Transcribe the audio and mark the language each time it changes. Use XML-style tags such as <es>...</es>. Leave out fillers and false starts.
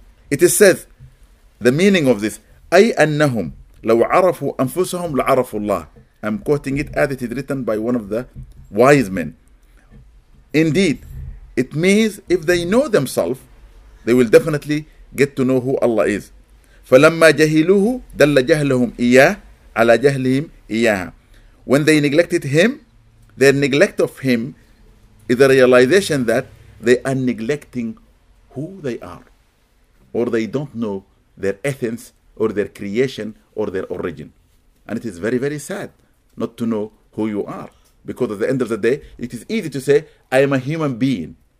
<en>It is said, the meaning of this,</en> <ar>أي أنهم لو عرفوا أنفسهم لعرفوا الله.</ar> <en>I'm quoting it as it is written by one of the wise men. Indeed, it means if they know themselves, they will definitely get to know who Allah is.</en> <ar>فلما جهلوه دل جهلهم إياه على جهلهم إياها.</ar> <en>When they neglected him, their neglect of him is a realization that they are neglecting who they are, or they don't know their essence or their creation or their origin. And it is very, very sad not to know who you are. Because at the end of the day, it is easy to say, I am a human being.</en>